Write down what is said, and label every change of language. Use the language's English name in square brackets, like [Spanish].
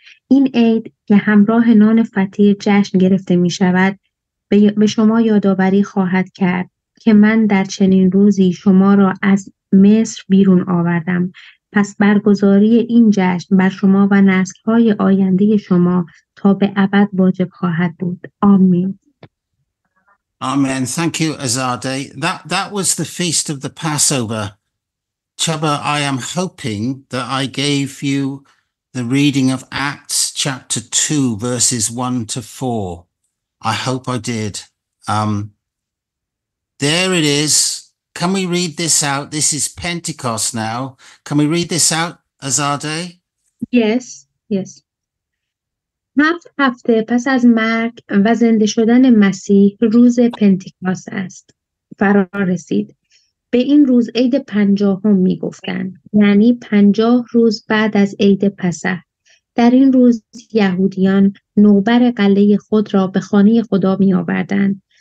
[Persian] این عید که همراه نان فطیر جشن گرفته می شود به شما یادآوری خواهد کرد که من در چنین روزی شما را از مصر بیرون آوردم. پس برگزاری این جشن بر شما و نسل‌های آینده شما تا به ابد واجب خواهد بود. آمین. [English] آمین. Thank you, Azadeh. That was the feast of the Passover. Chaba, I am hoping that I gave you the reading of Acts chapter 2, verses 1 to 4. I hope I did. There it is. Can we read this out? This is Pentecost now. Can we read this out, Azadeh? Yes. [Persian] 7 هفته پس از مرگ و زنده شدن مسیح روز پنتیکاست است. فرا رسید. به این روز عید 50 می گفتن. یعنی 50 روز بعد از عید پسح. در این روز یهودیان نوبر قلعه خود را به خانه خدا می آوردن.